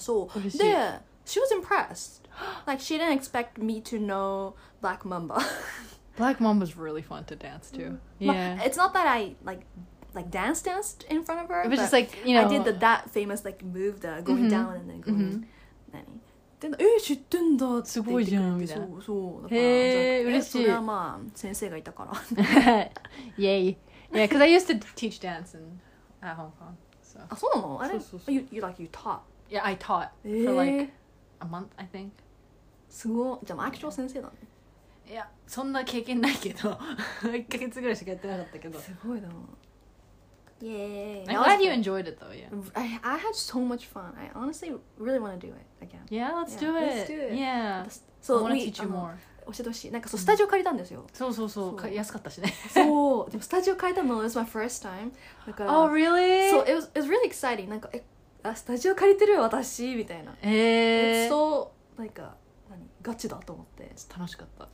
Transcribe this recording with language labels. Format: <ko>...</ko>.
<en>So, yeah, she was impressed. Like she didn't expect me to know Black Mamba. Black Mamba is really fun to dance to. Yeah. But it's not that I like danced in front of her. It was just like, you know, I did that famous like move, the going down and then going.</en> <ja>え、知ってんだ、すごいじゃんみたいな。そうだから、へー、嬉しい。それはまあ先生がいたから。</ja> <en>イエイ。Yeah, because I used to teach dance in at Hong Kong. So.</en> <ja>あ、そうなの？あれ？</ja> <en>You like you taught? Yeah, I taught for like a month, I think.</en> <ja>すごい。じゃあ、アクチュアル先生だね。いや、そんな経験ないけど、一ヶ月ぐらいしかやってなかったけど。すごいな。</ja> <en>Yay. I'm glad you enjoyed it though. Yeah, I had so much fun. I honestly really want to do it again. Yeah, let's do it. Let's do it. Yeah. So I want to teach you more.</en> <ja>教えてほしい。なんかそうスタジオ借りたんですよ、うん、そうそうそう、そう安かったしね。そうでもスタジオ借りたの</ja> <en>It's my first time</en> <ja>だから。</ja> <en>Oh really? So it was really exciting。</en> <ja>なんかえあスタジオ借りてる私みたいな。へえー、そうなんか何ガチだと思って楽しかった。</ja>